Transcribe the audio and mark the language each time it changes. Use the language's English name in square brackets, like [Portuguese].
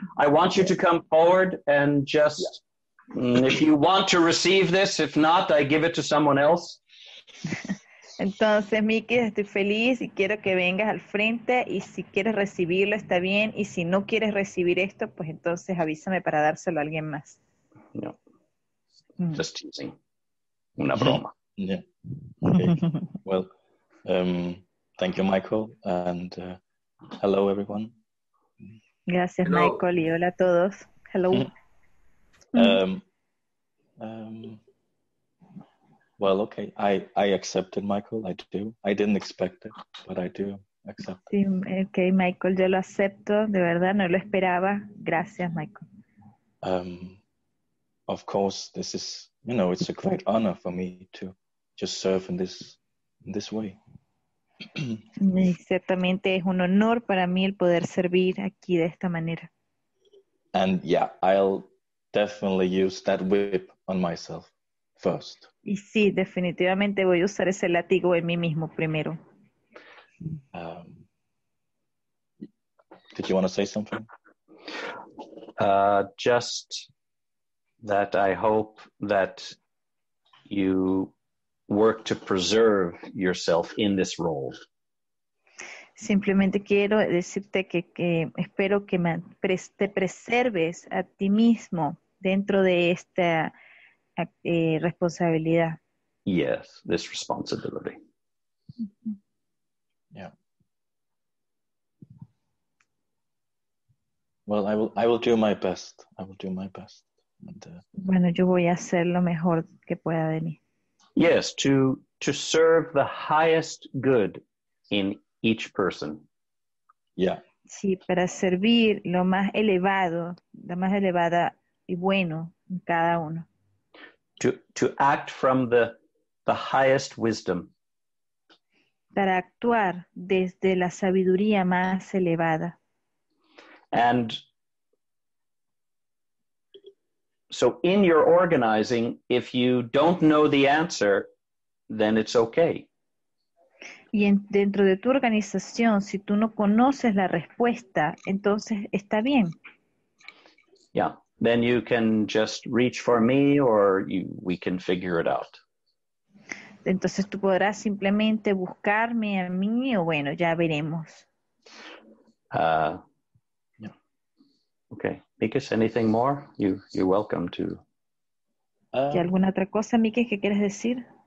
[English] I want you to come forward and just, if you want to receive this, if not, I give it to someone else. [Spanish] Entonces, Mikis, estoy feliz y quiero que vengas al frente y si quieres recibirlo, está bien. Y si no quieres recibir esto, pues entonces avísame para dárselo a alguien más. [English] No, just teasing. [Spanish] Una broma. [English] Yeah. Okay. Well, thank you, Michael, and Hello, everyone. [Spanish] Gracias, [English] hello. [Spanish] Michael, y hola a todos. [English] Hello. Well, okay, I accept it, Michael, I do. I didn't expect it, but I do accept it. [Spanish] Sí, okay, Michael, yo lo acepto, de verdad, no lo esperaba. Gracias, Michael. [English] Of course, this is, you know, it's a great honor for me to just serve in this way. [Spanish] Ciertamente es un honor para mí el poder servir aquí de esta manera. [English] And yeah, I'll definitely use that whip on myself first. [Spanish] Y sí, definitivamente voy a usar ese látigo en mí mismo primero. [English] Did you want to say something? Just that I hope that you work to preserve yourself in this role. [Spanish] Simplemente quiero decirte que espero que te preserves a ti mismo dentro de esta responsabilidad. [English] Yes, this responsibility. Mm-hmm. Yeah. Well, I will do my best. I will do my best. [Spanish] Bueno, yo voy a hacer lo mejor que pueda de mí. [English] Yes, to serve the highest good in each person. Yeah. [Spanish] Sí, para servir lo más elevado, la más elevada y bueno en cada uno. [English] To act from the highest wisdom. [Spanish] Para actuar desde la sabiduría más elevada. [English] And so in your organizing, if you don't know the answer, then it's okay. [Spanish] Y dentro de tu organización, si tú no conoces la respuesta, entonces está bien. [English] Yeah, then you can just reach for me or we can figure it out. [Spanish] Entonces tú podrás simplemente buscarme a mí o bueno, ya veremos. [English] Okay. Mikis, anything more? You're welcome to. [Spanish] ¿Hay alguna otra cosa, Mikis, que quieres decir?